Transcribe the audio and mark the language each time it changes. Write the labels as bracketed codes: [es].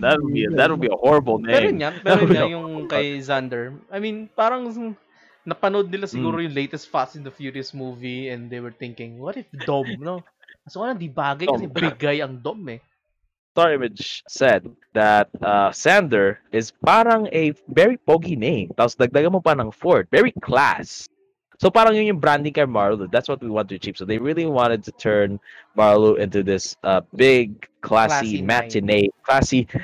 [en] That would be a horrible name. [tl] Pero yan yung kay Xander. [en] I mean, [tl] parang napanood nila siguro yung [en] latest Fast and the Furious movie and they were thinking, what if Dom, no? [tl] So, wala di bagay kasi big guy ang Dom, eh. [en] Star Image said that Xander is parang a very pogi name. [tl] Tapos dagdagan mo pa ng Ford. [en] Very class. [tl] So parang yun yung branding kay Marlou. [en] That's what we want to achieve. So they really wanted to turn Marlou into this big, classy matinee idol.